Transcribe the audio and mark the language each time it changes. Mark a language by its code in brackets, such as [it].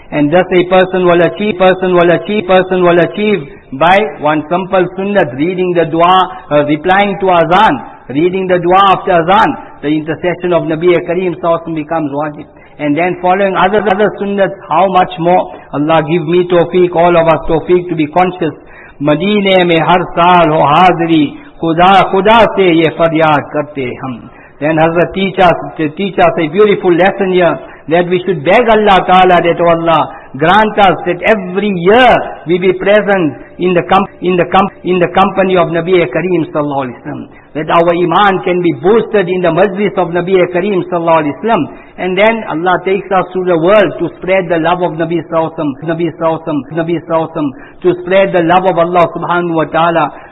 [en] And thus a person will achieve by one simple sunnah, reading the dua, replying to azan, reading the dua after azan, the intercession of Nabi Kareem sallallahu alaihi wasallam becomes wajib. And then following other sunnahs, how much more? Allah give me tawfiq, all of us tawfiq, to be conscious. [ur] مدینے میں ہر سال ہو حاضری خدا خدا سے یہ فریاد کرتے ہم. [en] Then Hazrat teach us a beautiful lesson here, that we should beg Allah Ta'ala that, oh Allah, grant us that every year we be present in the company of Nabi Kareem sallallahu alaihi wasallam, that our iman can be boosted in the majlis of Nabi Kareem sallallahu alaihi wasallam, and then Allah takes us through the world to spread the love of Nabi sallallahu alaihi wasallam, to spread the love of Allah subhanahu wa ta'ala.